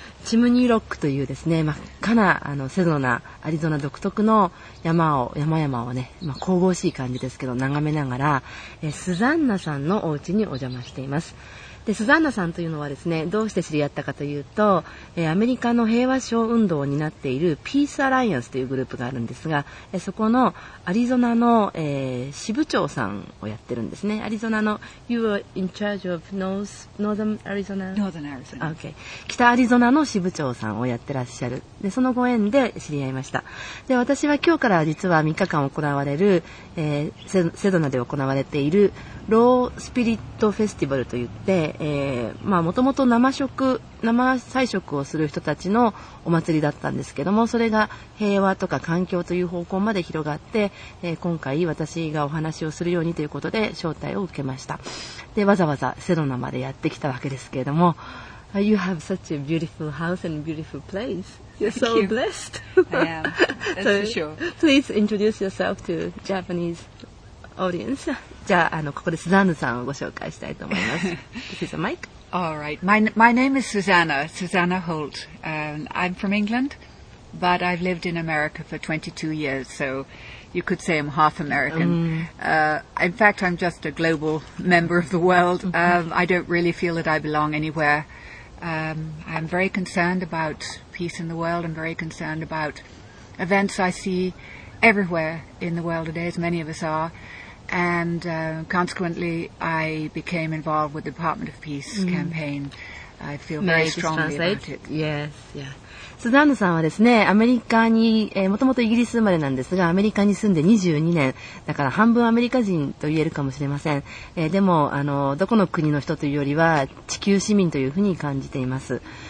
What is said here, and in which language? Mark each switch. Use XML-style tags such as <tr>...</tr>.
<ja>チムニーロックというですね、真っ赤なあのセドナ、アリゾナ独特の山々をね、まあ、神々しい感じですけど眺めながら、スザンナさんのお家にお邪魔しています。でスザンナさんというのはですね、どうして知り合ったかというと、アメリカの平和賞運動を担っているピースアライアンスというグループがあるんですが、そこのアリゾナの、支部長さんをやってるんですね。アリゾナの</ja> <en>You are in charge of Northern Arizona? Northern Arizona. Okay.</en> <ja>北アリゾナの支部長さんをやってらっしゃる。でそのご縁で知り合いました。で私は今日から実は3日間行われる、セドナで行われているロースピリットフェスティバルといって、もともと生菜食をする人たちのお祭りだったんですけども、それが平和とか環境という方向まで広がって、今回私がお話をするようにということで招待を受けました。でわざわざセドナまでやってきたわけですけれども、</ja> <en>You have such a beautiful house and beautiful place. You're so blessed. I am. That's for sure. Please introduce yourself to Japanese audience.</en> <ja>じゃあ、ここでスザンヌさんをご紹介したいと思います。</ja> <en>This is a mic. All right. My name is Susanna Holt. I'm from England, but I've lived in America for 22 years, so you could say I'm half American. In fact, I'm just a global member of the world. I don't really feel that I belong anywhere. I'm very concerned about peace in the world. I'm very concerned about events I see everywhere in the world today, as many of us are. And consequently, I became involved with the Department of Peace campaign. I feel very strongly about it. Yes, yes.</en> <ja>スザンヌさんはですね、アメリカに、もともとイギリス生まれなんですが、アメリカに住んで22年、だから半分アメリカ人と言えるかもしれません。でも、どこの国の人というよりは、地球市民というふうに感じています。</ja>